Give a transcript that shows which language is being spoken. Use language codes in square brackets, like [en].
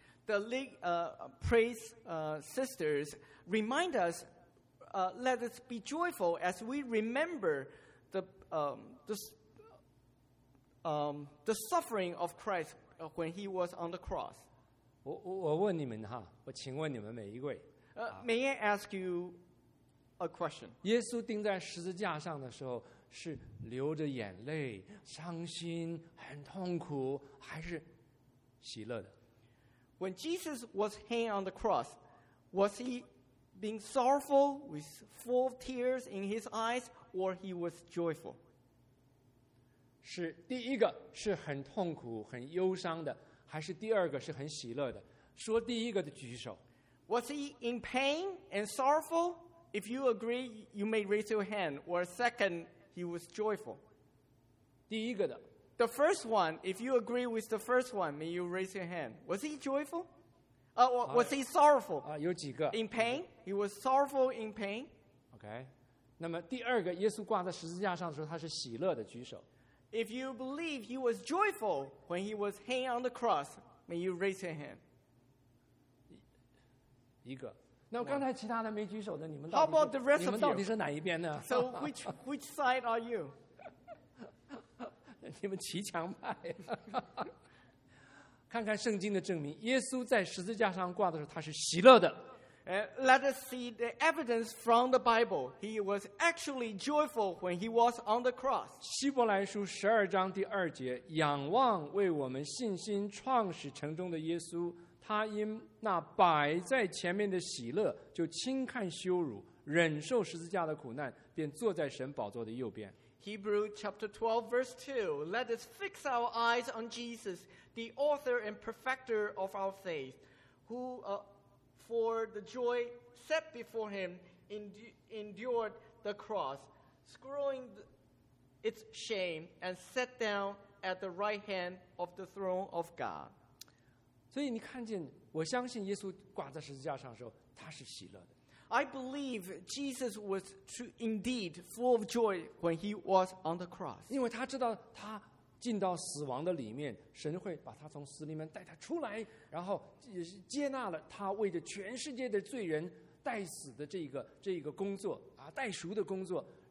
[en] The late praise sisters remind us, let us be joyful as we remember the suffering of Christ when he was on the cross. [zh] 我问你们哈，我请问你们每一位。 [en] May I ask you a question? [zh] 耶稣钉在十字架上的时候，是流着眼泪、伤心、很痛苦，还是喜乐的？ [en] When Jesus was hanging on the cross, was he being sorrowful with full of tears in his eyes, or he was joyful? [zh] 是第一个是很痛苦、很忧伤的，还是第二个是很喜乐的？说第一个的举手。 [en] Was he in pain and sorrowful? If you agree, you may raise your hand. Or second,He was joyful. [zh] 第一个的。 [en] The first one, if you agree with the first one, may you raise your hand. Was he joyful? Was he sorrowful? [zh] 有几个。 [en] In pain? He was sorrowful in pain. Okay. [zh] 那么第二个，耶稣挂在十字架上的时候，他是喜乐的，举手。 [en] If you believe he was joyful when he was hanging on the cross, may you raise your hand. [zh] 一个。那刚才其他的没举手的，你们 [en] How about the rest of you? [zh] 你们到底是哪一边呢 [en] ？So which side are you? [zh] 你们骑墙派。看看圣经的证明，耶稣在十字架上挂的时候，他是喜乐的。 [en] Let us see the evidence from the Bible. He was actually joyful when he was on the cross. [zh] 希伯来书十二章第二节，仰望为我们信心创始成终的耶稣。他因那摆在前面的喜乐，就轻看羞辱，忍受十字架的苦难，便坐在神宝座的右边。 [en] Hebrew chapter 12 verse 2, Let us fix our eyes on Jesus, the author and perfecter of our faith, who for the joy set before him endured the cross, scorning its shame, and sat down at the right hand of the throne of God. [zh] 所以你看见，我相信耶稣挂在十字架上的时候，他是喜乐的。 [en] I believe Jesus was indeed full of joy when he was on the cross. [zh] 因为他知道他进到死亡的里面，神会把他从死里面带他出来，然后接纳了他为着全世界的罪人代死的这个工作啊，代赎的工作。